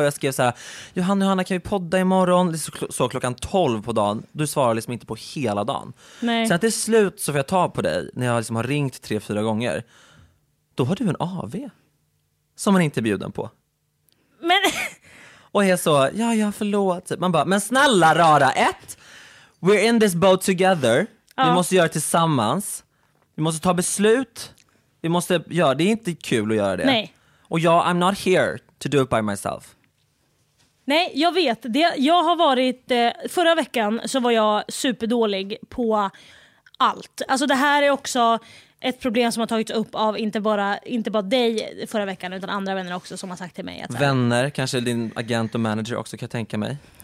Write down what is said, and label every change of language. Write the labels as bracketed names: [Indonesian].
[Swedish] Och jag skrev så här, Johanna, kan vi podda imorgon? Det så klockan 12 på dagen. Du svarar liksom inte på hela dagen. Nej. Sen till slut så får jag ta på dig när jag liksom har ringt 3-4 gånger. Då har du en AV som man inte är bjuden på. Men och jag så, ja förlåt. Man bara, men snälla rara, ett, [English] we're in this boat together. [Swedish] Ja. Vi måste göra det tillsammans. Vi måste ta beslut. Vi måste göra, ja, det är inte kul att göra det. Nej. Och jag, [English] I'm not here to do it by myself. [Swedish] Nej, jag vet. Jag har varit, förra veckan så var jag superdålig på allt. Alltså det här är också... ett problem som har tagits upp av inte bara dig förra veckan utan andra vänner också som har sagt till mig att vänner kanske din agent och manager också kan tänka mig.